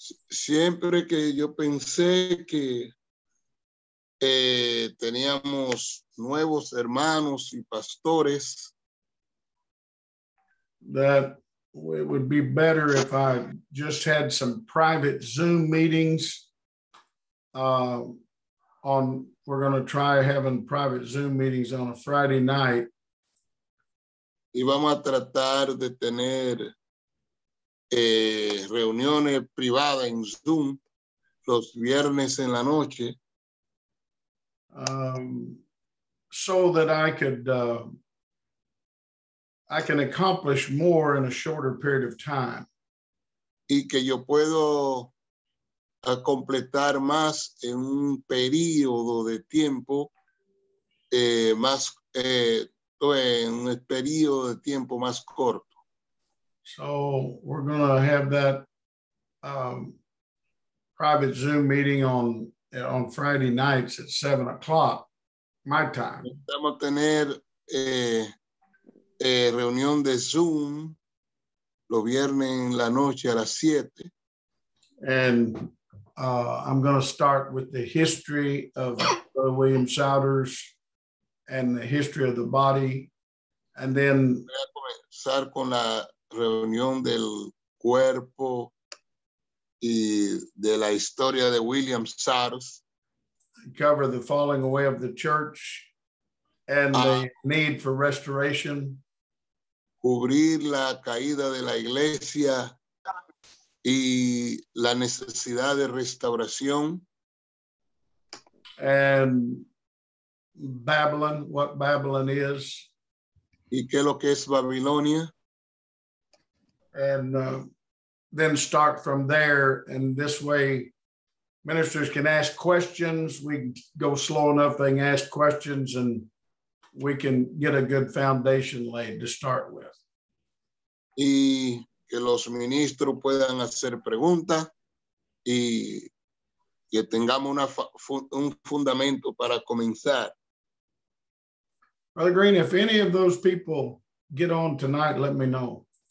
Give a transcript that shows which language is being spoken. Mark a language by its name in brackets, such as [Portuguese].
[Spanish] Siempre que yo pensé que teníamos nuevos hermanos y pastores, [English] that it would be better if I just had some private Zoom meetings. We're going to try having private Zoom meetings on a Friday night. [Spanish] Y vamos a tratar de tener reuniones privadas en Zoom los viernes en la noche. [English] So that I could I can accomplish more in a shorter period of time. [Spanish] Y que yo puedo completar más en un periodo de tiempo, en un periodo de tiempo más corto. [English] So we're going to have that private Zoom meeting on Friday nights at 7 o'clock, my time. [Spanish] Vamos a tener reunión de Zoom los viernes en la noche a las 7. [English] And I'm going to start with the history of Brother William Souders and the history of the body. And then [Spanish] voy a comenzar con la reunión del cuerpo y de la historia de William Souders. [English] Cover the falling away of the church and the need for restoration. [Spanish] Cubrir la caída de la iglesia y la necesidad de restauración. [English] And Babylon, what Babylon is. [Spanish] Y qué es lo que es Babilonia. [English] And then start from there. And this way, ministers can ask questions. We go slow enough, they can ask questions, and we can get a good foundation laid to start with. [Spanish] y que los ministros puedan hacer preguntas y que tengamos una un fundamento para comenzar. [English] Brother Green, if any of those people get on tonight, let me know.